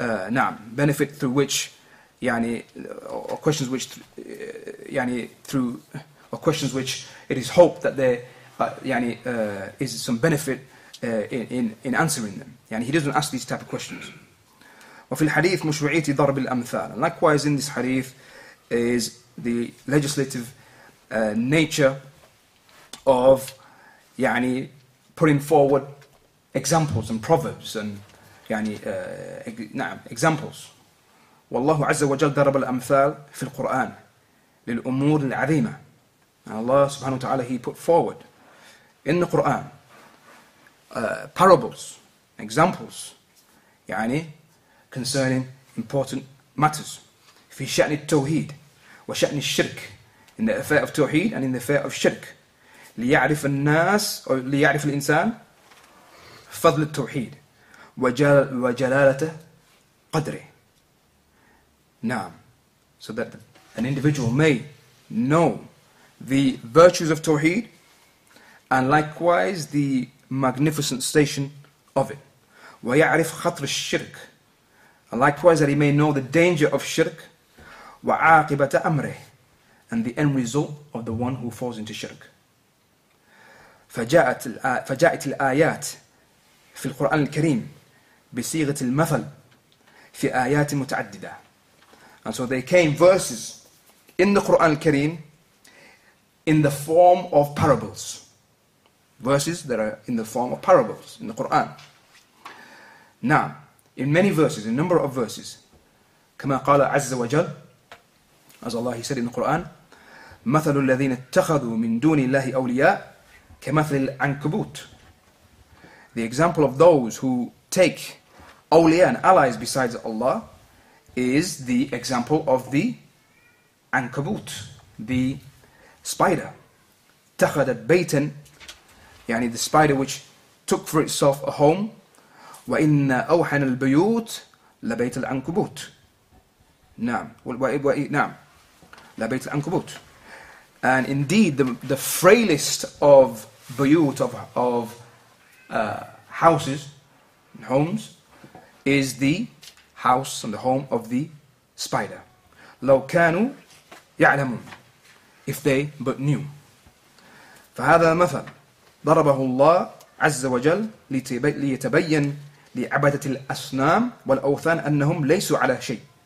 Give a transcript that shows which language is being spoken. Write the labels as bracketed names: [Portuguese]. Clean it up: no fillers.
[English] نعم, benefit through which يعني or questions which يعني through or questions which it is hoped that there يعني is some benefit in answering them. يعني he doesn't ask these type of questions. [Arabic] وفي الحديث مشروعية ضرب الأمثال. [English] And likewise in this hadith is the legislative nature of يعني putting forward examples and proverbs and يعني نعم examples. [Arabic] والله عز وجل ضرب الأمثال في القرآن للأمور العظيمة. [English] And Allah subhanahu wa ta'ala, he put forward in the Quran parables, examples يعني concerning important matters. [Arabic] في شأن التوحيد وشأن الشرك, [English] in the affair of توحيد and in the affair of shirk. [Arabic] ليعرف الناس أو ليعرف الإنسان فضل التوحيد وجلالته قدره. نعم. [English] So that an individual may know the virtues of توحيد and likewise the magnificent station of it. [Arabic] ويعرف خطر الشرك. [English] Likewise, that he may know the danger of shirk, [Arabic] وعاقبة أمره, [English] and the end result of the one who falls into shirk. [Arabic] فجاءت الآيات في القرآن الكريم بصيغة المثل في آيات متعددة. [English] And so they came verses in the Quran al-Kareem in the form of parables. Verses that are in the form of parables in the Quran. Now, in many verses, a number of verses, [Arabic] كما قال عز وجل [English] as Allah he said in the Quran [Arabic] مثل الذين اتخذوا من دون الله أولياء كمثل العنكبوت. [English] The example of those who take awliya and allies besides Allah is the example of the ankabut, the spider. [Arabic] اتخذت بيتا, [English] يعني the spider which took for itself a home. [Arabic] وإن أوحن البيوت لبيت العنكبوت. نعم. نعم. لبيت العنكبوت. [English] And indeed, the frailest of buyut, of houses, homes, is the house and the home of the spider. [Arabic] لو كانوا يعلمون, [English] if they but knew. [Arabic] فهذا مثل ضربه الله عز وجل ليتبين لعبدة الأصنام والأوثان أنهم ليسوا على شيء.